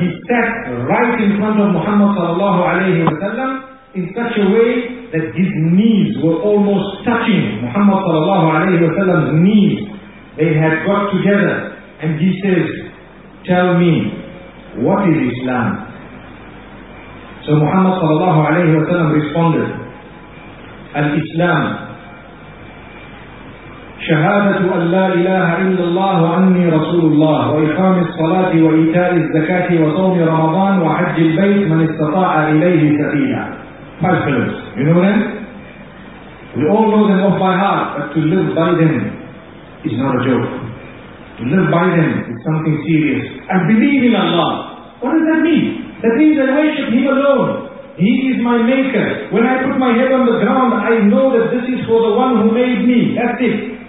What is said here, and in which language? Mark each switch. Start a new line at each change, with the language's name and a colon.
English: He sat right in front of Muhammad sallallahu alayhi wasallam in such a way that his knees were almost touching Muhammad sallallahu alayhi wasallam's knees. They had got together, and he says, "Tell me, what is Islam?" So Muhammad sallallahu alayhi wasallam responded,
Arabic: "Al-Islam, شهادة أن لا إله إلا الله وأني رسول الله وإقام الصلاة وإيتاء الزكاة وصوم رمضان وحج البيت من استطاع إليه سبيلا."
English: Five pillars. You know them? We all know them off by heart, but to live by them is not a joke. To live by them is something serious. And believe in Allah. What does that mean? That means I worship Him alone. He is my maker. When I put my head on the ground, I know that this is for the one who made me. That's it.